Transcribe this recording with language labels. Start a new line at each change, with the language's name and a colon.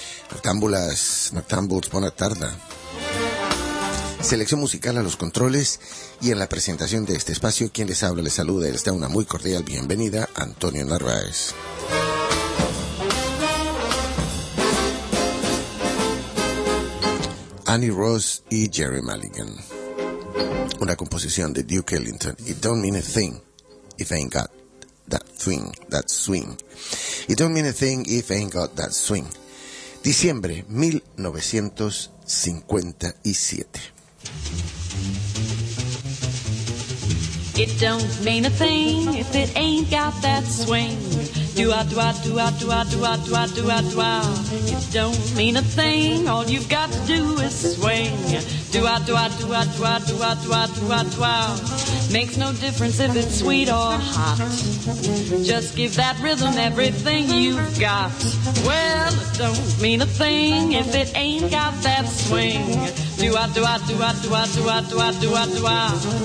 Spanish: Noctámbulas, noctámbuls, buena tarde. Selección musical a los controles y en la presentación de este espacio, quien les habla, les saluda y les da una muy cordial bienvenida, Antonio Narváez. Annie Ross y Jerry Mulligan. Una composición de Duke Ellington.
English: It don't mean a thing if ain't got that swing, that swing. It don't mean a thing if ain't got that swing.
Spanish: Diciembre 1957.
English: It don't mean a thing if it ain't got that swing. Do a do a do a do a do a do a do a do a. It don't mean a thing. All you've got to do is swing. Do a do a do a do a do a do a do a do a. Makes no difference if it's sweet or hot. Just give that rhythm everything you've got. Well, it don't mean a thing if it ain't got that swing. Do a do a do a do a do a do a do a do a.